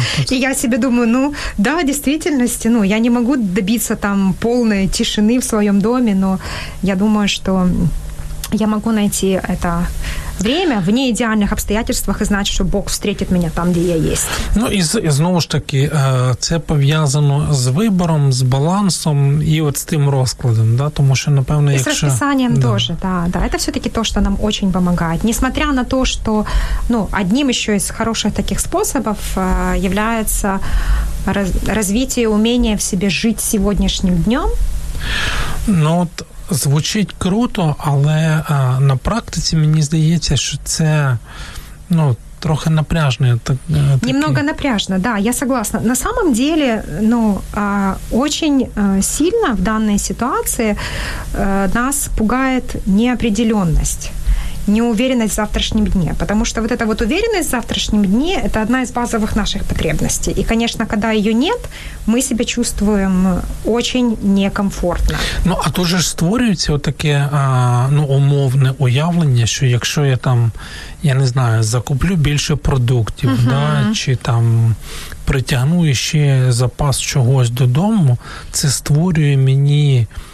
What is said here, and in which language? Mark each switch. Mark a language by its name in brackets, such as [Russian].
[Russian] И я себе думаю, ну да, в действительности, ну я не могу добиться там полной тишины в своем доме, но я думаю, что я могу найти это время в [Ukrainian] неідеальних обстоятельствах і знати, що Бог встретить мене там, де я є. Ну, і знову ж таки, це пов'язано з вибором, з балансом і от з тим розкладом, да? Тому що, напевно, якщо... І з розписанням теж, да. Да, да. Це все-таки те, що нам дуже допомагає. [Russian] Несмотря на те, [Ukrainian] що, ну, одним ще із хороших таких способів є розвитие уміння в себе жити сьогоднішнім днем. Ну, от... Звучить круто, але на практиці мені здається, що це, ну, трохи напряжно. Так, [Russian] немного напряжно, да, я согласна. На самом деле, ну, очень сильно в данной ситуации нас пугает неопределенность. Неуверенность в завтрашнем дне. Потому что вот эта вот уверенность в завтрашнем дне – это одна из базовых наших потребностей. И, конечно, когда ее нет, мы себя чувствуем очень некомфортно. [Ukrainian] Ну, а тут же створюється вот таке, ну, умовне уявлення, що якщо я там, я не знаю, закуплю більше продуктів, да, чи там притягну ще запас чогось додому, це створює мені...